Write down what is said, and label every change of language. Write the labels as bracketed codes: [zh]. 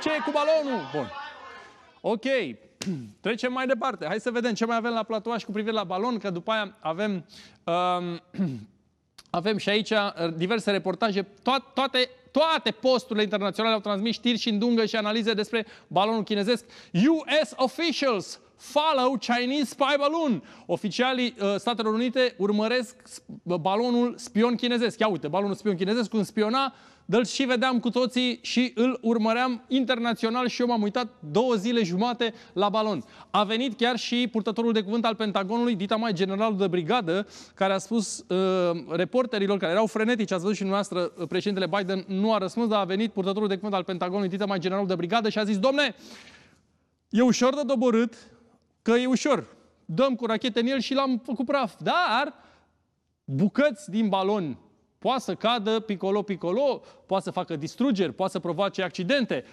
[ro] Ce e cu balonul? Bun. Ok. Trecem mai departe. Hai să vedem ce mai avem la platoaș cu privire la balon, că după aia avem... Avem și aici diverse reportaje, toate posturile internaționale au transmis știri și îndungă și analize despre balonul chinezesc. [en] US officials follow Chinese spy balloon. [ro] Oficialii Statelor Unite urmăresc balonul spion chinezesc. Ia uite, balonul spion chinezesc, cum spiona, dă-l și vedeam cu toții și îl urmăream internațional și eu m-am uitat 2 zile jumate la balon. A venit chiar și purtătorul de cuvânt al Pentagonului, Dita Mai, generalul de brigadă, care a spus reporterilor, care erau frenetici, ați văzut și dumneavoastră, președintele Biden nu a răspuns, dar a venit purtătorul de cuvânt al Pentagonului, Dita Mai, generalul de brigadă și a zis, domne, e ușor de doborât, că e ușor, dăm cu rachete în el și l-am făcut praf, dar bucăți din balon, poate să cadă picolo-picolo, poate să facă distrugeri, poate să provoace accidente.